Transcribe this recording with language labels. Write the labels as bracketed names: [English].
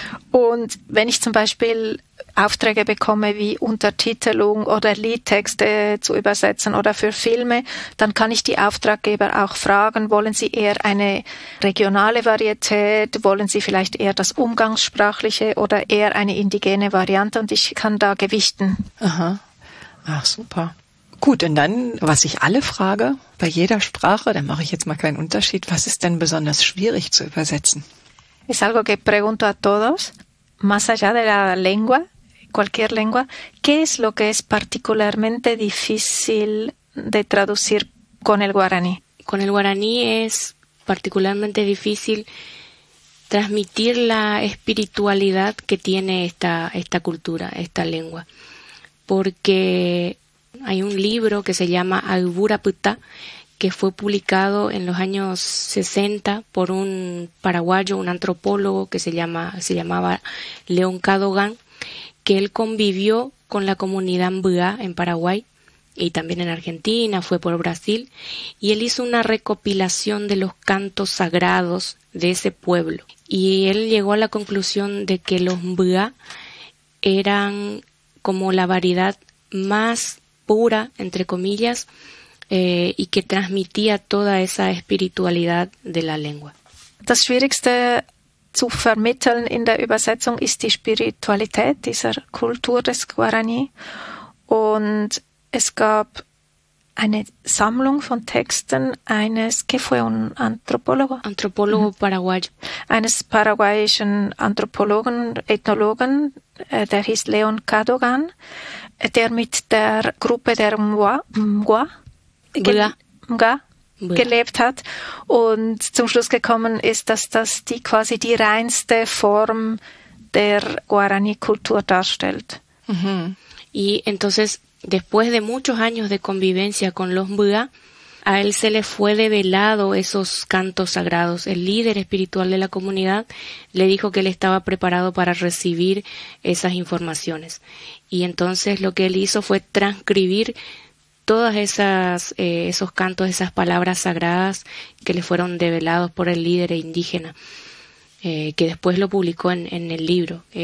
[German] Und wenn ich zum Beispiel Aufträge bekomme wie Untertitelung oder Liedtexte zu übersetzen oder für Filme, dann kann ich die Auftraggeber auch fragen, wollen sie eher eine regionale Varietät, wollen sie vielleicht eher das Umgangssprachliche oder eher eine indigene Variante, und ich kann da gewichten. Aha. Ach, super. Gut, und dann, was ich alle frage, bei jeder Sprache, da mache ich jetzt mal keinen Unterschied, was ist denn besonders schwierig zu übersetzen? [Spanish] Es algo que pregunto a todos, más allá de la lengua, cualquier lengua, ¿qué es lo que es particularmente difícil de traducir con el guaraní? Con el guaraní es particularmente difícil transmitir la espiritualidad que tiene esta cultura, esta lengua, porque hay un libro que se llama Alburaputa, que fue publicado en los años 60 por un paraguayo, un antropólogo que se llamaba León Cadogan, que él convivió con la comunidad Mbuá en Paraguay y también en Argentina, fue por Brasil, y él hizo una recopilación de los cantos sagrados de ese pueblo. Y él llegó a la conclusión de que los Mbuá eran como la variedad más pura, entre comillas, y que transmitía toda esa espiritualidad de la lengua. [German] Das Schwierigste zu vermitteln in der Übersetzung ist die Spiritualität dieser Kultur des Guarani. Und es gab eine Sammlung von Texten eines, [Spanish] que fue un antropólogo? Antropólogo paraguayo. [German] Eines paraguayischen Anthropologen, Ethnologen, der hieß León Cadogan, der mit der Gruppe der Mga gelebt hat und zum Schluss gekommen ist, dass das quasi die reinste Form der Guarani-Kultur darstellt. [Spanish] Y entonces, después de muchos años de convivencia con los Mga, a él se le fue develado esos cantos sagrados. El líder espiritual de la comunidad le dijo que él estaba preparado para recibir esas informaciones. Y entonces lo que él hizo fue transcribir todas esos cantos, esas palabras sagradas que le fueron develados por el líder indígena, que después lo publicó en el libro.